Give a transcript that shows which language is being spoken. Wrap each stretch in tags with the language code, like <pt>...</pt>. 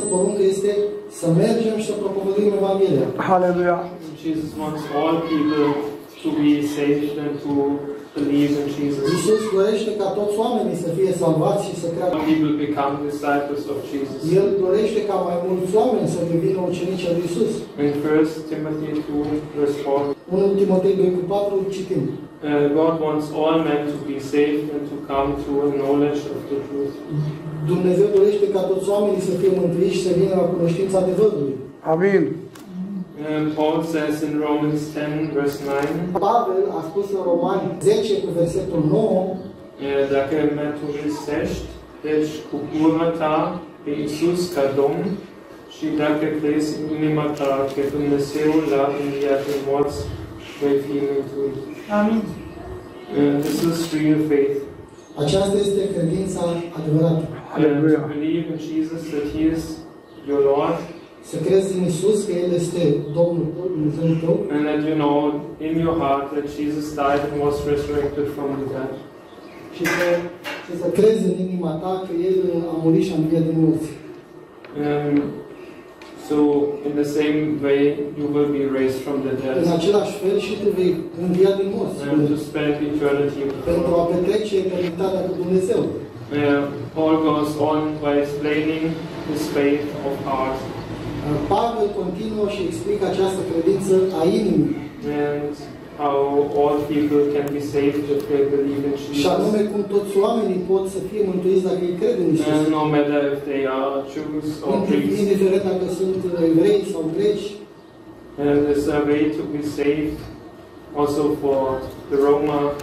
<ro>poruncă este să mergem și să propovăduim Evanghelia. Haleluia.</ro> <en>Jesus wants all people to be saved and to believe in Jesus.</en> <ro>Iisus dorește ca toți oamenii să fie salvați și să creadă.</ro> <en>People become disciples of Jesus.</en> <ro>El dorește ca mai mulți oameni să devină ucenici al lui Iisus.</ro> <en>In 1 Timothy 2 verse 4.</en> <ro>1 Timotei 2:4 citim.</ro> <en>God wants all men to be saved and to come to a knowledge of the truth.</en> <ro>Dumnezeu dorește ca toți oamenii să fie mântuiți și să vină la cunoștința adevărului. Amin.</ro> <en>Paul says in Romans 10 verse 9.</en> <ro>Pavel a spus în Romani 10 cu versetul 9. Dacă mărturisești, deci cu gura ta pe Iisus ca Domn, și dacă crezi în inima ta că Dumnezeu l-a înviat din morți, vei fi mântuit. Amin.</ro> <en>This is real faith.</en> <ro>Aceasta este credința adevărată.</ro> <en>Hallelujah. To believe in Jesus that He is your Lord.</en> <ro>Să crezi în Iisus că El este Domnul tău, Dumnezeu tău.</ro> <en>And that you know in your heart that Jesus died and was resurrected from the dead.</en> <ro>Și să crezi în inima ta că El a murit și a înviat din morți.</ro> <en>So in the same way you will be raised from the dead.</en> <ro>În același fel și tu vei învia din morți.</ro> <en>And to spend eternity with</en> <ro>God. Pentru a petrece eternitatea cu Dumnezeu.</ro> <en>Paul goes on by explaining his faith of heart.</en> <ro>Pavel continuă și explică această credință a inimii.</ro> <en>And how all people can be saved if they believe in Jesus.</en> <ro>Și anume cum toți oamenii pot să fie mântuiți dacă ei cred în Iisus.</ro> <en>And no matter if they are Jews or Greeks.</en> <ro>Indiferent dacă sunt evrei sau greci.</ro> <en>And there's a way to be saved also for the Roma.</en>